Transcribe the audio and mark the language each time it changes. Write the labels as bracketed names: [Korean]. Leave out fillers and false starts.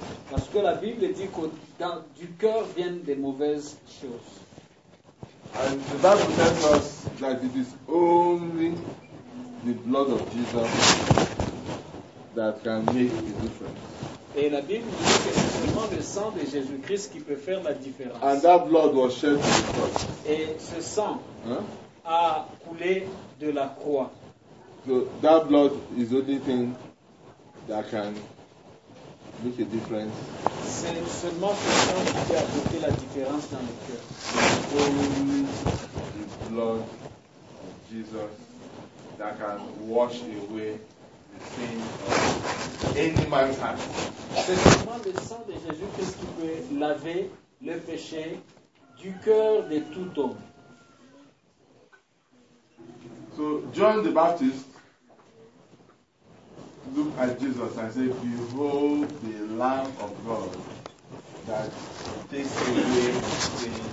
[French] Parce que la Bible dit que dans, du cœur viennent des mauvaises choses. [English] And the Bible tells us that it is only the blood of Jesus that can make the difference. [French] Et la Bible dit que c'est seulement le sang de Jésus-Christ qui peut faire la différence. [English] And that blood was shed to the cross. [French] Et ce sang a coulé de la croix. [English] So that blood is the only thing that can make a difference. [French] C'est seulement ce sang qui peut apporter la différence dans le cœur. [English] Only the blood of Jesus that can wash away the sin of any man's heart. [French] C'est seulement le sang de Jésus-Christ qui peut laver le péché du cœur de tout homme. [English] So John the Baptist looked at Jesus and said, "Behold the Lamb of God that takes away the sin."